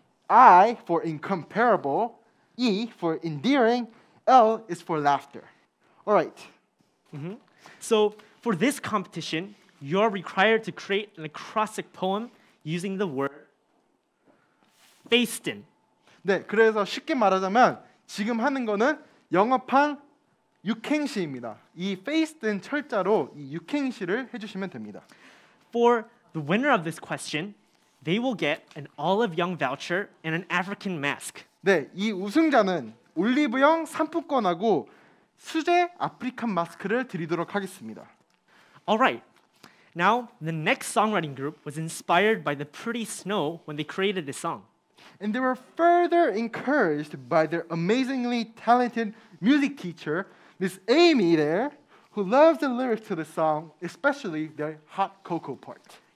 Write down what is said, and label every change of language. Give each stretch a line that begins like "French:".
English: I for incomparable. E for endearing. L is for laughter. All right. Mm-hmm. So for this competition, you're required to create an acrostic poem using the word Fayston.
Korean: 네, 그래서 쉽게 말하자면 지금 하는 거는 영어판 육행시입니다. 이 Fayston 철자로 이 육행시를 해주시면 됩니다.
English: For the winner of this question, they will get an Olive Young voucher and an African mask.
Korean: 네, 이 우승자는 올리브영 상품권하고 수제 아프리칸 마스크를 드리도록 하겠습니다.
English: All right. Now, the next songwriting group was inspired by the pretty snow when they created this song. And they were further encouraged by their amazingly talented music teacher, Miss Amy there, who loves the lyrics to the song, especially their hot cocoa part.